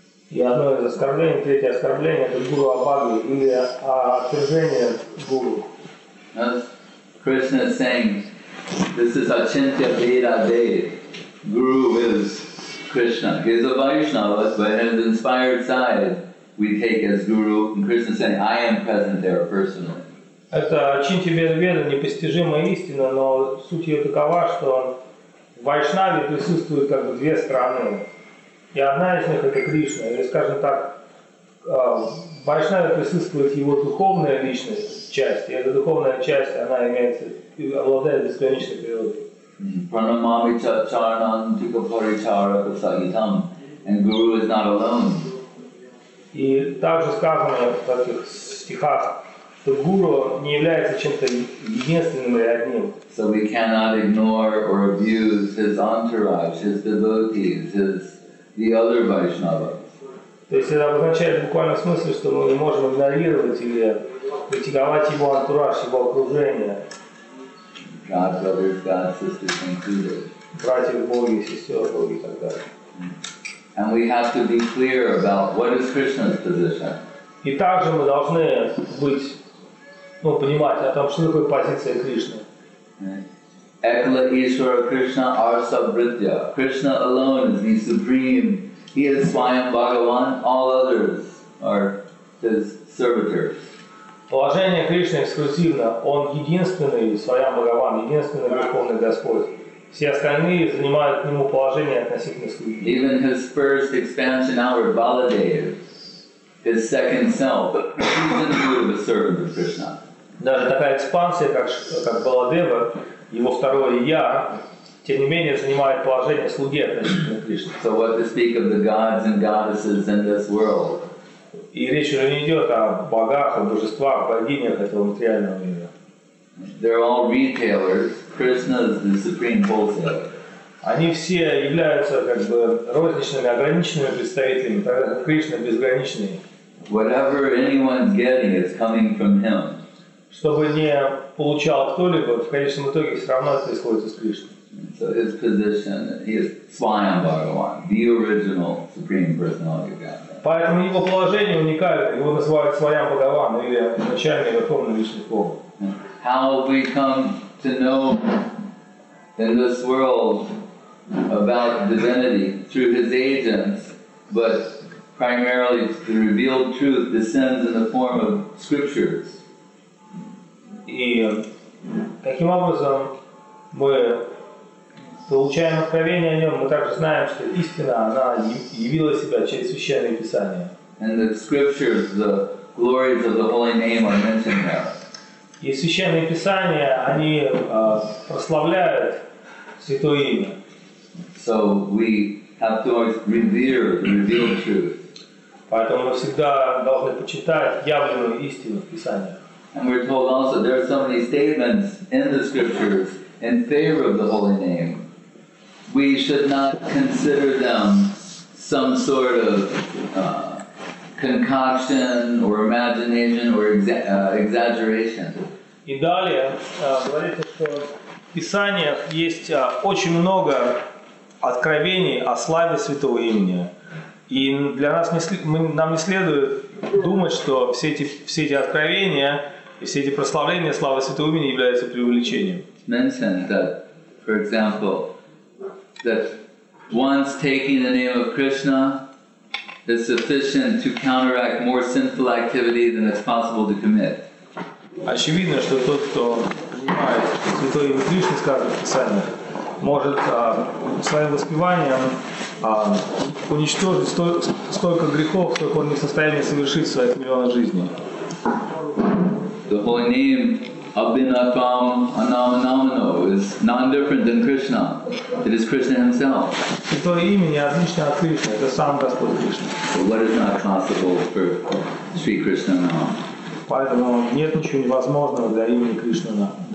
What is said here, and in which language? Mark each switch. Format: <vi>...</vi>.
<ru>И одно из оскорблений, третье оскорбление, это Гуру Абхагви, или отвержение Гуру.</ru> <en>As Krishna is saying, this is Achintya Veda Dev. Guru is Krishna. He is a Vaishnava, but in his inspired side, we take as Guru. And Krishna is saying, I am present there personally.</en> <ru>Это Achintya Veda Dev, непостижимая истина, но суть ее такова, что в Вайшнаве присутствуют как бы две стороны. И одна из них – это Кришна, или, скажем так, в Вайшнаве присутствует его духовная личность, часть, и эта духовная часть, она имеется, обладает бесконечной природой.</ru> <sa>Pranamami charanam tika paricara pasagitam.</sa> <en>And Guru is not alone.</en> <ru>И также сказано в таких стихах, что Гуру не является чем-то единственным или одним.</ru> <en>So we cannot ignore or abuse his entourage, his devotees, his the other Vaishnavas.</en> <ru>То есть это обозначает в буквальном смысле, что мы не можем игнорировать или критиковать его антураж, его окружение.</ru> <en>God, brothers, God, sisters, included.</en> <ru>Братья, боги, сестер, боги и так далее.</ru> <en>And we have to be clear about what is Krishna's position.</en> <ru>И также мы должны быть, ну, понимать о том, что такое позиция Кришны.</ru> <sa>Ekala Ishvara Krishna Arsa Vritya.</sa> <en>Krishna alone is the supreme. He is Swayam Bhagavan. All others are his servitors.</en> <ru>Положение Кришны эксклюзивно. Он единственный Свайам Бхагаван, единственный Верховный Господь. Все остальные занимают к нему положение относительно эксклюзивно.</ru> <en>Even his first expansion outward, Baladev, his second self, he's in view of a servant of Krishna.</en> <ru>Даже такая экспансия, как Баладева, его второе «Я», тем не менее, занимает положение слуги относительно Кришны.</ru> <en>So what to speak of the gods and goddesses in this world?</en> <ru>И речь уже не идет о богах, о божествах, богинях этого материального мира.</ru> <en>They're all retailers. Krishna is the supreme wholesaler.</en> <ru>Они все являются как бы розничными, ограниченными представителями, так как Кришна безграничный.</ru> <en>Whatever anyone's getting is coming from him.</en> <ru>Чтобы не получал кто-либо, в конечном итоге все равно это исходит из Кришны.</ru> <en>So his position, he is Swayam Bhagavan, the original supreme personality of God.</en> <ru>Поэтому его положение уникально, его называют Свайам Бхагаван или начальник Верховной Личной Формы.</ru> <en>How we come to know in this world about divinity through his agents, but primarily the revealed truth descends in the form of scriptures.</en> <ru>И таким образом мы получаем откровение о нем, мы также знаем, что истина, она явила себя через Священные Писания.</ru> <en>And the scriptures, the glories of the Holy Name are mentioned there.</en> <ru>И Священные Писания, они прославляют Святое Имя.</ru> <en>So we have to always revere the revealed truth.</en> <ru>Поэтому мы всегда должны почитать явленную истину в Писаниях.</ru> <en>And we're told also there are so many statements in the scriptures in favor of the Holy Name. We should not consider them some sort of concoction or imagination or exaggeration.</en> <ru>И далее говорится, что в Писаниях есть очень много откровений о славе Святого Имени. И для нас нам не следует думать, что все эти откровения и все эти прославления славы Святого Имени являются преувеличением.</ru> <en>Mentioned that, for example, that once taking the name of Krishna is sufficient to counteract more sinful activity than it's possible to commit.</en> <ru>Очевидно, что тот, кто принимает Святое Имя Кришны, скажет в Писании, может своим воспеванием уничтожить столько грехов, сколько он не в состоянии совершить в своих миллионах жизней.</ru> <en>The Holy Name Abhinatvam Anamanamano is non-different than Krishna. It is Krishna himself.</en> <ru>Святое Имя не отлично от Кришны, это сам Господь Кришна.</ru> <en>But what is not possible for Sri Krishna Nama?</en> <ru>Поэтому нет ничего невозможного для имени Кришна.</ru>